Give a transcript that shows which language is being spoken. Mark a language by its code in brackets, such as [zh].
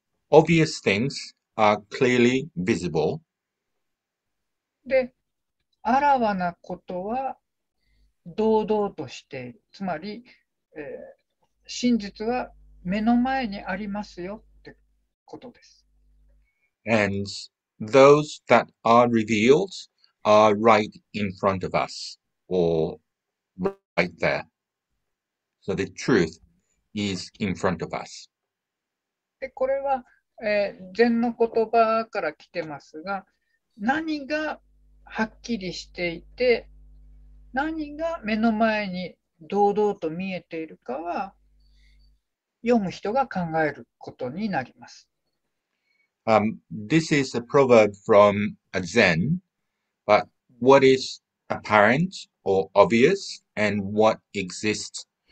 [en] Obvious things are clearly visible. [ja] で、あらわなことは堂々としている。つまり、真実は目の前にありますよってことです。 [en] And those that are revealed are right in front of us, or right there. So the truth is in front of us. [ja] で、これは、禅の言葉から来てますが、何がはっきりしていて、何が目の前に堂々と見えているかは、読む人が考えることになります。 [en] This is a proverb from a Zen, but what is apparent or obvious and what exists?